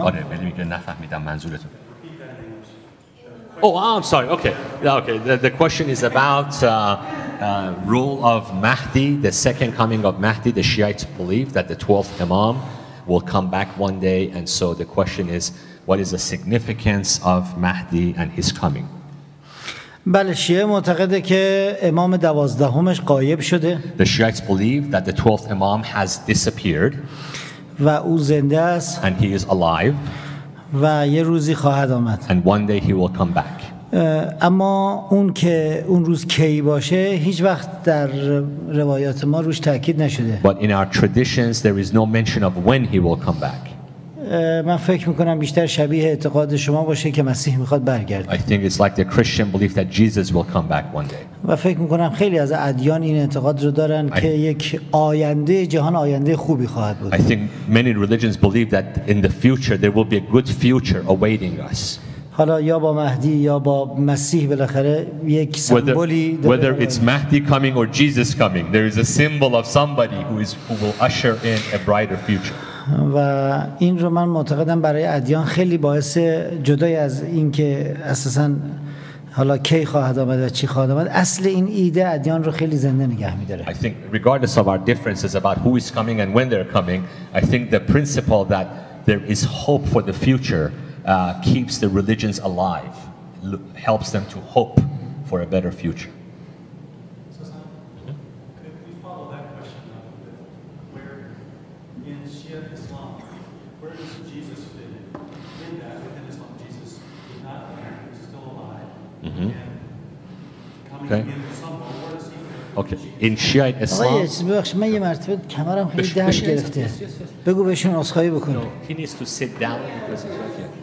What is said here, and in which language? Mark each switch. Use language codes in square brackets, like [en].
[fa] آره ولی میگه نفهمیدم منظورتون. [en] Oh, I'm sorry. Okay. The question is about role of Mahdi, the second coming of Mahdi. The Shiites believe that the 12th Imam will come back one day, and so the question is, what is the significance of Mahdi and his coming? [fa] بله شیعه معتقده که امام 12th غایب شده. [en] The Shiites believe that the 12th Imam has disappeared. [fa] و او زنده است. [en] And he is alive. [fa] و یه روزی خواهد آمد. [en] And one day he will come back. [fa] اما اون که اون روز کی باشه هیچ وقت در روایات ما روش تاکید نشده. [en] But in our traditions there is no mention of when he will come back. [fa] من فکر میکنم بیشتر شبیه اعتقاد شما باشه که مسیح میخواد برگرده. [en] I think it's like the Christian belief that Jesus will come back one day. [fa] و فکر میکنم خیلی از ادیان این اعتقاد رو دارن که یک آینده جهان آینده خوبی خواهد بود. [en] I think many religions believe that in the future there will be a good future awaiting us. [fa] حالا یا با مهدی یا با مسیح بالاخره یک سمبولی [en] whether it's Mahdi coming or Jesus coming, there is a symbol of somebody who will usher in a brighter future. [fa] و این رو من معتقدم برای ادیان خیلی باعث جدای از این که اساسا حالا کی خواهد آمد و چی خواهد آمد، اصل این ایده ادیان رو خیلی زنده نگه می‌داره. [en] I think regardless of our differences about who is coming and when they're coming, I think the principle that there is hope for the future keeps the religions alive, helps them to hope for a better future. Okay. Okay. In Shiite Islam. آقای [fa] چیزی بخش من یه مرتبه کمرم خیلی درد گرفته. بگو بهشون عذرخواهی بکن. [en] No, he needs to sit down because it's okay.